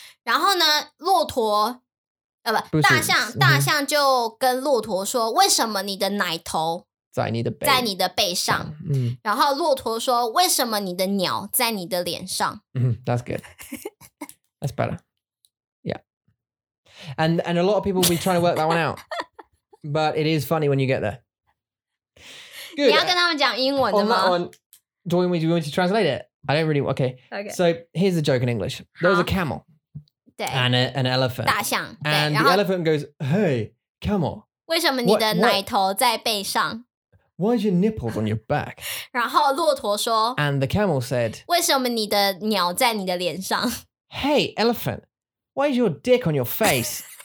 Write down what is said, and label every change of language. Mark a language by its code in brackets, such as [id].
[zh] 然后呢骆驼大象就跟骆驼说：“为什么你的奶头在你的背在你的背上？” 嗯，然后骆驼说：“为什么你的鸟在你的脸上？” [en] 嗯 ，That's good. That's better. Yeah. And a lot of people will be trying to work that one out. But it is funny when you get there. Good. [zh] 你要跟他们讲英文的吗? [en] On that one, do you want me to translate it? I don't really, okay. So here's the joke in English. There was a camel. And an elephant. [zh] 大象, [en] and the elephant goes, hey, camel. [zh] 为什么你的奶头在背上? [en] Why is your nipples on your back? [zh] 然后骆驼说, [en] and the camel said, [zh] 为什么你的鸟在你的脸上? [en] Hey, elephant, why is your dick on your face?